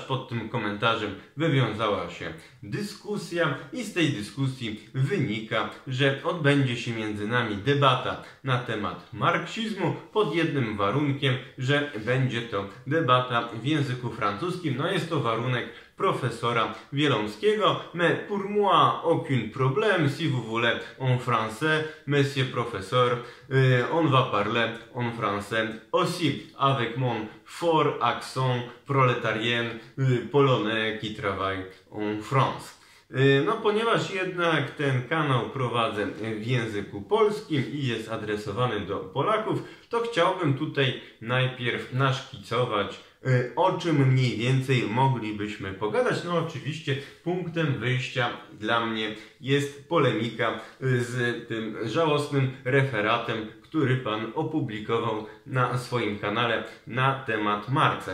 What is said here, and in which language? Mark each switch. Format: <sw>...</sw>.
<pl>Pod tym komentarzem wywiązała się dyskusja i z tej dyskusji wynika, że odbędzie się między nami debata na temat marksizmu pod jednym warunkiem, że będzie to debata w języku francuskim. No jest to warunek profesora Wielomskiego.</pl> <fr>Mais pour moi, aucun problème, si vous voulez en français, monsieur professeur, on va parler en français aussi, avec mon fort accent prolétarien, polonais qui travaille en France.</fr> <pl>No ponieważ jednak ten kanał prowadzę w języku polskim i jest adresowany do Polaków, to chciałbym tutaj najpierw naszkicować, o czym mniej więcej moglibyśmy pogadać. No oczywiście punktem wyjścia dla mnie jest polemika z tym żałosnym referatem, który pan opublikował na swoim kanale na temat Marksa.</pl>